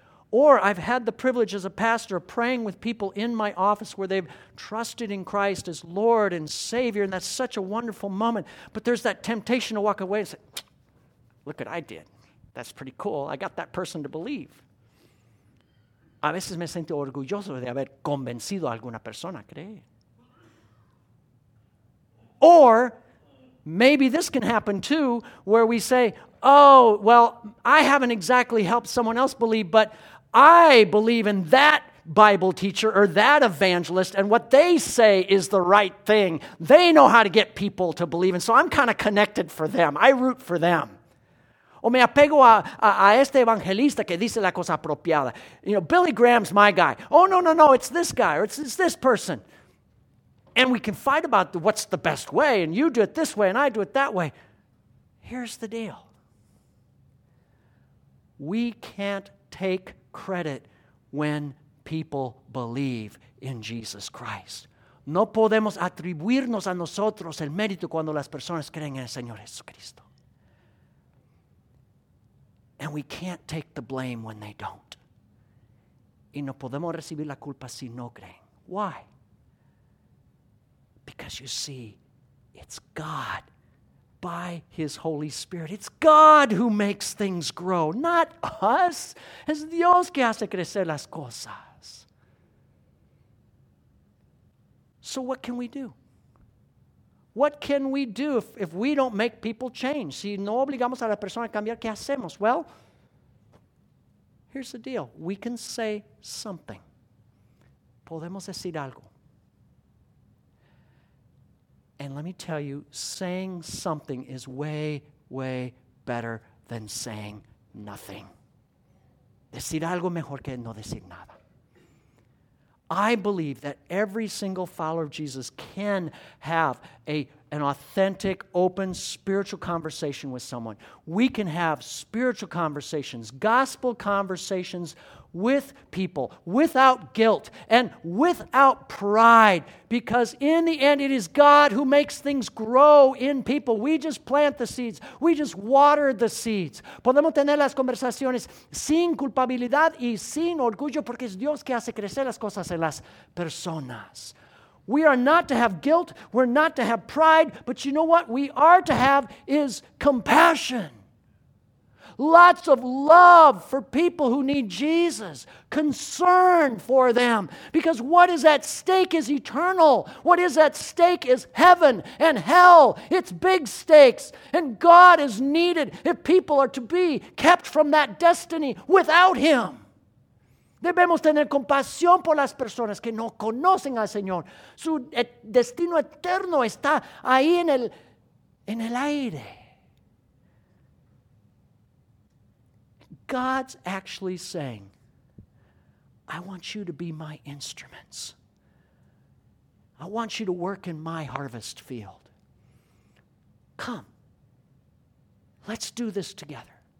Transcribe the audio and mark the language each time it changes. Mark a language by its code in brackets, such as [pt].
[en] Or I've had the privilege as a pastor of praying with people in my office where they've trusted in Christ as Lord and Savior, and that's such a wonderful moment. But there's that temptation to walk away and say, look what I did. That's pretty cool. I got that person to believe. [es] A veces me siento orgulloso de haber convencido a alguna persona, ¿cree? [en] Or maybe this can happen too, where we say, oh, well, I haven't exactly helped someone else believe, but I believe in that Bible teacher or that evangelist, and what they say is the right thing. They know how to get people to believe, and so I'm kind of connected for them. I root for them. [es] O me apego a este evangelista que dice la cosa apropiada. [en] You know, Billy Graham's my guy. Oh, no, it's this guy, or it's this person. And we can fight about what's the best way, and you do it this way, and I do it that way. Here's the deal. We can't take credit when people believe in Jesus Christ. [es] No podemos atribuirnos a nosotros el mérito cuando las personas creen en el Señor Jesucristo. [en] And we can't take the blame when they don't. [es] Y no podemos recibir la culpa si no creen. [en] Why? Because you see, it's God. By His Holy Spirit. It's God who makes things grow, not us. [es] Es Dios que hace crecer las cosas. [en] So what can we do? What can we do if we don't make people change? [es] Si no obligamos a la persona a cambiar, ¿qué hacemos? [en] Well, here's the deal. We can say something. Podemos decir algo. And let me tell you, saying something is way, way better than saying nothing. Decir algo mejor que no decir nada. I believe that every single follower of Jesus can have an authentic, open, spiritual conversation with someone. We can have spiritual conversations, gospel conversations with people, without guilt, and without pride, because in the end, it is God who makes things grow in people. We just plant the seeds. We just water the seeds. [es] Podemos tener las conversaciones sin culpabilidad y sin orgullo, porque es Dios que hace crecer las cosas en las personas. [en] We are not to have guilt. We're not to have pride, but you know what we are to have is compassion. Lots of love for people who need Jesus, concern for them, because what is at stake is eternal. What is at stake is heaven and hell. It's big stakes, and God is needed if people are to be kept from that destiny without Him. [es] Debemos tener compasión por las personas que no conocen al Señor. Su destino eterno está ahí en el aire. [en] God's actually saying, I want you to be my instruments. I want you to work in my harvest field. Come, let's do this together.